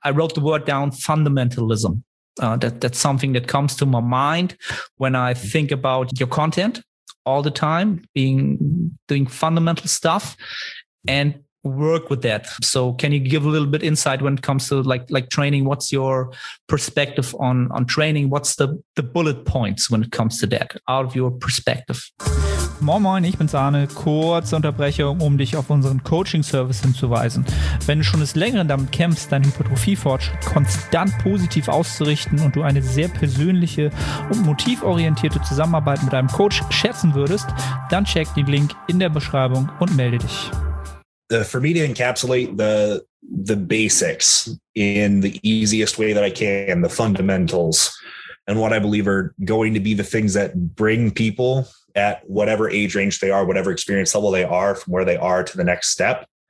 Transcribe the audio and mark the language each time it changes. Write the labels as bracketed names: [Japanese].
[English] I wrote the word down, fundamentalism. That's something that comes to my mind when I think about your content all the time, doing fundamental stuff and work with that. So can you give a little bit insight when it comes to like training? What's your perspective on training? What's the bullet points when it comes to that, out of your perspective? [German] Moin Moin, ich bin's Arne. Kurze Unterbrechung, um dich auf unseren Coaching-Service hinzuweisen. Wenn du schon des Längeren damit kämpfst, deinen Hypertrophie-Fortschritt konstant positiv auszurichten und du eine sehr persönliche und motivorientierte Zusammenarbeit mit einem Coach schätzen würdest, dann check den Link in der Beschreibung und melde dich. [English] For me to encapsulate the basics in the easiest way that I can, the fundamentals, and what I believe are going to be the things that bring people at whatever age range they are, whatever experience level they are, from where they are to the next step.